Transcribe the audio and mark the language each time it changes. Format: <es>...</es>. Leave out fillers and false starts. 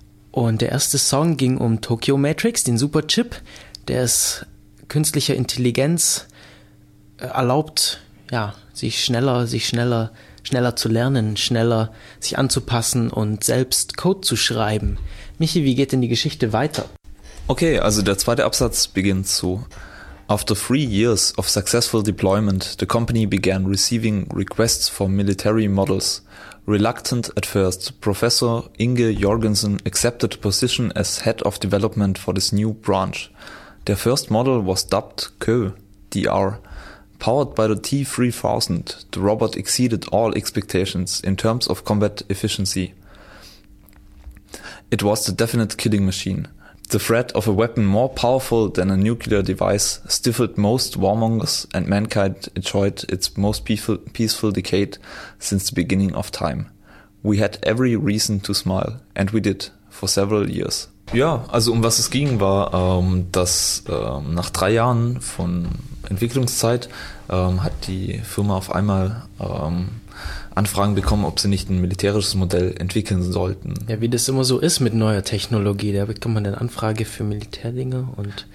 <de>Und der erste Song ging um Tokyo Matrix, den Superchip, der es künstlicher Intelligenz erlaubt, ja, sich schneller zu lernen, schneller sich anzupassen und selbst Code zu schreiben. Michi, wie geht denn die Geschichte weiter? Okay, also der zweite Absatz beginnt so:</de> <en>After 3 years of successful deployment, the company began receiving requests for military models. Reluctant at first, Professor Inge Jorgensen accepted a position as head of development for this new branch. Their first model was dubbed Kö-DR. Powered by the T-3000, the robot exceeded all expectations in terms of combat efficiency. It was the definite killing machine. The threat of a weapon more powerful than a nuclear device stifled most warmongers, and mankind enjoyed its most peaceful decade since the beginning of time. We had every reason to smile, and we did, for several years.</en> <de>Ja, also um was es ging, war, dass nach 3 Jahren von Entwicklungszeit hat die Firma auf einmal Anfragen bekommen, ob sie nicht ein militärisches Modell entwickeln sollten. Ja, wie das immer so ist mit neuer Technologie, da bekommt man dann Anfrage für Militärdinge und...</de>